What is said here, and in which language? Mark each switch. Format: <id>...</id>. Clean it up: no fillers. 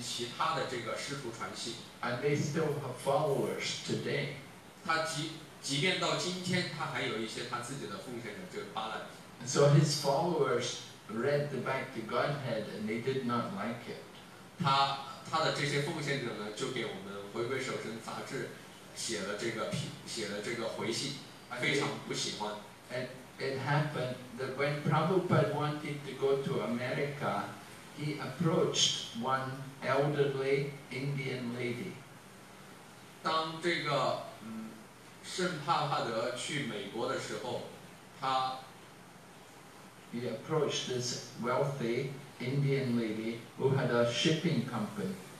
<zh>他建立了他自己的以及其他的这个师徒传系。</zh> <en>And they still have followers today.</en> <zh>他即便到今天，他还有一些他自己的奉献者，就是巴拉比。</zh> <en>So his followers read the Bhakti Godhead and they did not like it.</en> <zh>他的这些奉献者呢，就给我们回归守贞杂志写了这个回信，非常不喜欢。</zh> <en>And it happened that when Prabhupada wanted to go to America, he approached one elderly Indian lady.</en> <zh>当这个圣帕帕德去美国的时候，他</zh> <en>approached this wealthy Indian lady who had a shipping company.</en>